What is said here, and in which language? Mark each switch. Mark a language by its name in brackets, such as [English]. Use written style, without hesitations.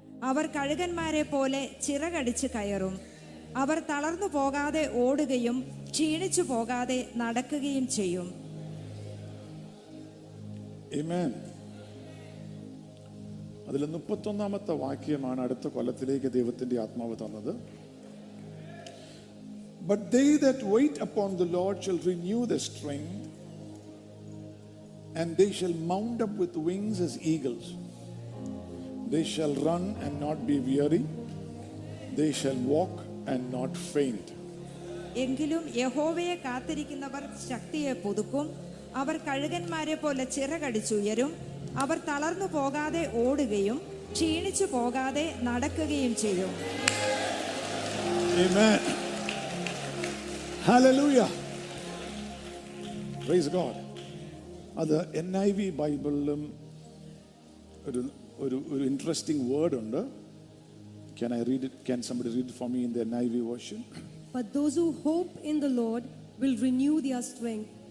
[Malayalam] അവർ കഴുകന്മാരെ പോലെ ചിറകടിച്ച് കയറും, അവർ തളർന്നു പോകാതെ ഓടുകയും ക്ഷീണിച്ചു പോകാതെ നടക്കുകയും ചെയ്യും. അതിൽ 31-ാമത്തെ വാക്യമാണ് അടുത്ത കൊല്ലത്തിലേക്ക് ദൈവത്തിന്റെ ആത്മാവ് തന്നത്. [English] But they that wait upon the Lord shall renew their strength, and they shall mount up with wings as eagles. They shall run and not be weary. They shall walk and not faint. [Malayalam] എങ്കിലും യഹോവയെ കാത്തിരിക്കുന്നവർ ശക്തിയെ പുതുക്കും, അവർ കഴുകന്മാരെ പോലെ ചിറകടിച്ചുയരും, അവർ തളർന്നു പോകാതെ ഓടുകയും ക്ഷീണിച്ചു പോകാതെ നടക്കുകയും ചെയ്യും. [English] Hallelujah. Praise God. [Malayalam] അത് NIV ബൈബിളിലും ഒരു ഒരു ഇൻട്രസ്റ്റിംഗ് വേർഡ് ഉണ്ട്. [English] Can I read it? Can somebody read it for me in the NIV version? But those who hope in the Lord will renew their strength.